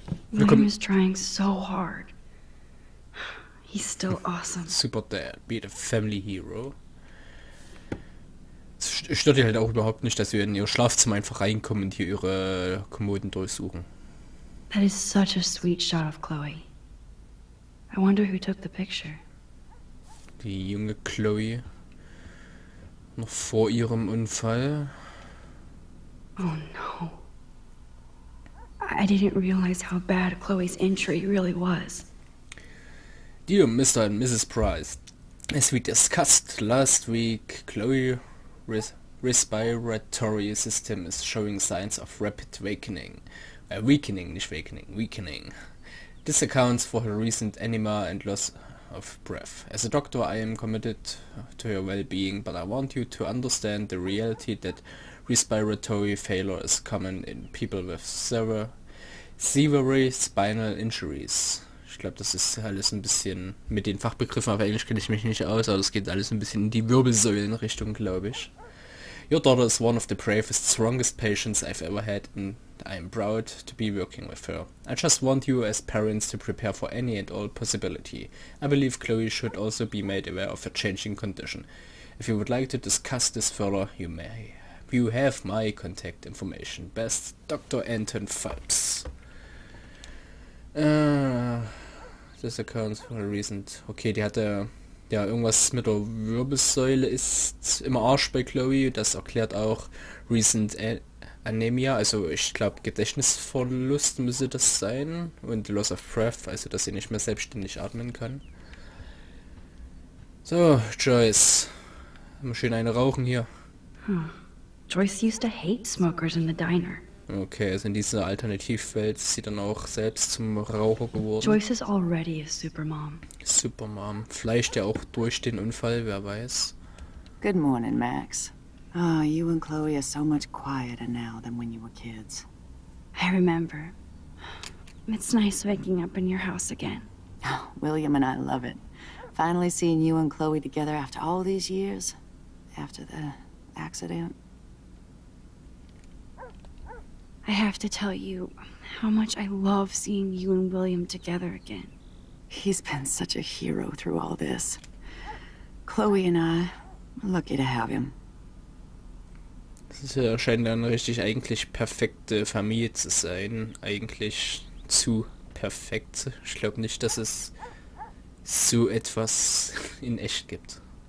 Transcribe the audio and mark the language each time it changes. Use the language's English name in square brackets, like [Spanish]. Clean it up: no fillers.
[English] William is trying so hard. He's still awesome. Super Dad, be the family hero. [German] Es stört dich halt auch überhaupt nicht, dass wir in ihr Schlafzimmer einfach reinkommen und hier ihre Kommoden durchsuchen. [English] That is such a sweet shot of Chloe. I wonder who took the picture. [German] Die junge Chloe. Noch vor ihrem Unfall. [English] Oh no. I didn't realize how bad Chloe's injury really was. Dear Mr. and Mrs. Price, as we discussed last week, Chloe's respiratory system is showing signs of rapid weakening. This accounts for her recent edema and loss of breath. As a doctor, I am committed to her well-being, but I want you to understand the reality that respiratory failure is common in people with severe spinal injuries. [German] Ich glaube, das ist alles ein bisschen mit den Fachbegriffen, auf Englisch kenne ich mich nicht aus, aber es geht alles ein bisschen in die Wirbelsäulenrichtung, glaube ich. [English] Your daughter is one of the bravest, strongest patients I've ever had, and I am proud to be working with her. I just want you as parents to prepare for any and all possibility. I believe Chloe should also be made aware of her changing condition. If you would like to discuss this further, you may. You have my contact information. Best, Dr. Anton Phelps. This accounts for a recent... [German] Okay, die hatte... Ja, irgendwas mit der Wirbelsäule ist im Arsch bei Chloe. Das erklärt auch [English] recent Anemia. [German] Also ich glaube, Gedächtnisverlust müsste das sein. Und [English] Loss of Breath, [German] also dass sie nicht mehr selbstständig atmen kann. So, Joyce. Mal schön eine rauchen hier. [English] Joyce used to hate smokers in the diner. [German] Okay, also in dieser Alternativwelt ist sie dann auch selbst zum Raucher geworden. [English] Joyce is already a supermom. Supermom. [German] Vielleicht ja auch durch den Unfall, wer weiß. [English] Good morning, Max. Oh, you and Chloe are so much quieter now than when you were kids. I remember. It's nice waking up in your house again. Oh, William and I love it. Finally seeing you and Chloe together after all these years. After the accident. I have to tell you how much I love seeing you and William together again. He's been such a hero through all this. Chloe and I, lucky to have him. [German] Es scheint dann richtig eigentlich perfekte Familie zu sein. Eigentlich zu perfekt. Ich glaube nicht, dass es so etwas in echt gibt.